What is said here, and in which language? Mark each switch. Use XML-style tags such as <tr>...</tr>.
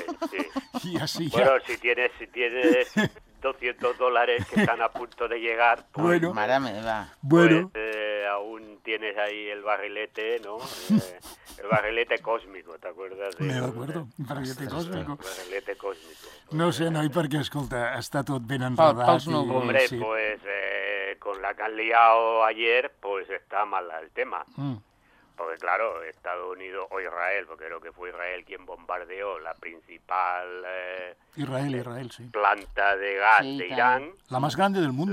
<es>Sí. Y así bueno, ya. Si tienes $200 que están a punto de llegar, pues, bueno, márame, va. Bueno. Aún tienes ahí el barrilete, ¿no? El barrilete cósmico, ¿te acuerdas? Me acuerdo, el barrilete cósmico. Barrilete cósmico.</es> <ca>No sé, no, i per què, escolta, està tot ben enredat. Pels núvols.</ca> <es>Hombre, sí. Pues con la que han liado ayer, pues está mal el tema. Porque claro, Estados Unidos o Israel, porque creo que fue Israel quien bombardeó la principal Israel, sí. Planta de gas sí, de Irán. La más grande del mundo,</es>